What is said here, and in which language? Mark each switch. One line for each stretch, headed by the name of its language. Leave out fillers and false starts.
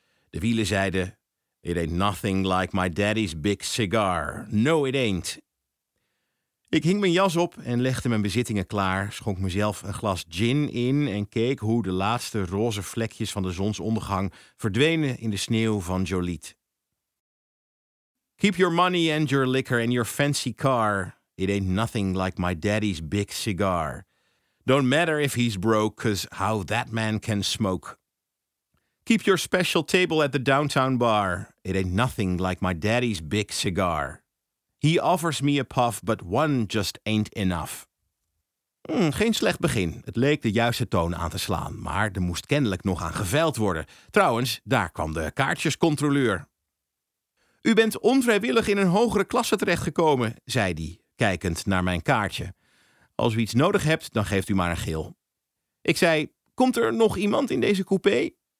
Dutch: De wielen zeiden:
English: It ain't nothing like my daddy's big cigar. No, it ain't.
Dutch: Ik hing mijn jas op en legde mijn bezittingen klaar, schonk mezelf een glas gin in en keek hoe de laatste roze vlekjes van de zonsondergang verdwenen in de sneeuw van Joliette.
English: Keep your money and your liquor and your fancy car. It ain't nothing like my daddy's big cigar. Don't matter if he's broke, 'cause how that man can smoke. Keep your special table at the downtown bar. It ain't nothing like my daddy's big cigar. He offers me a puff, but one just ain't enough.
Dutch: Geen slecht begin. Het leek de juiste toon aan te slaan, maar er moest kennelijk nog aan geveild worden. Trouwens, daar kwam de kaartjescontroleur. U bent onvrijwillig in een hogere klasse terechtgekomen, zei die, kijkend naar mijn kaartje. Als u iets nodig hebt, dan geeft u maar een gil. Ik zei, komt er nog iemand in deze coupé?